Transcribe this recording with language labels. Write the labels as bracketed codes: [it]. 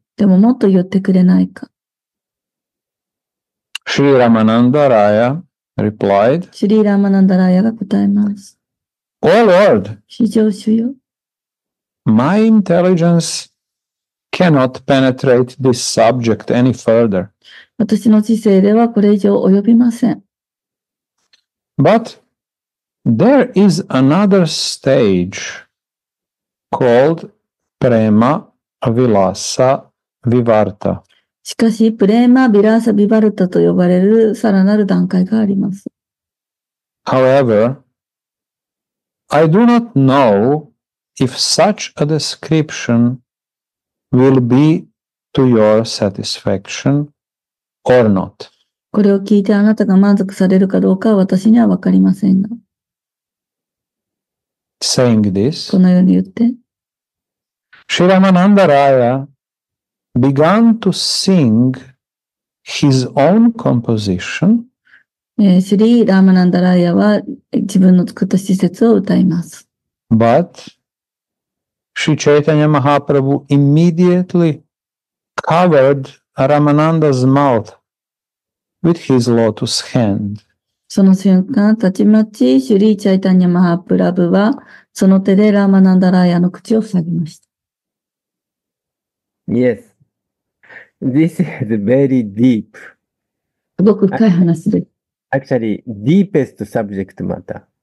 [ja] でももっと言ってくれないか。 [en] シリラマナンダラヤ replied. [ja] シリラマナンダラヤが答えます。 [en] O Lord! [ja] 至上主よ。 [en] My intelligence cannot penetrate this subject any further. [ja] 私の知性ではこれ以上及びません。 [en] But there is another stage called Prema Vilasa. ヴィヴァルタ。 [ja] しかし、プレーマ・ヴィラーサ・ヴィヴァルタと呼ばれるさらなる段階があります。 [en] However, I do not know if such a description will be to your satisfaction or not. [ja] これを聞いてあなたが満足されるかどうかは私には分かりませんが。 [en] Saying this, [ja] このように言って。 [en] シラマナンダラヤ began to sing his own composition. [ja] シリー・ラマナンダラヤは自分の作った詩節を歌います。 [en] But シチャイタニャ・マハプラブ immediately covered Ramananda's mouth with his lotus hand. [ja] その瞬間、たちまちシュリー・チャイタニャ・マハプラブはその手でラマナンダラヤの口を塞ぎました。 [en] Yes. This is very deep. [ja] すごく深い話です。 [en] Actually, deepest subject matter.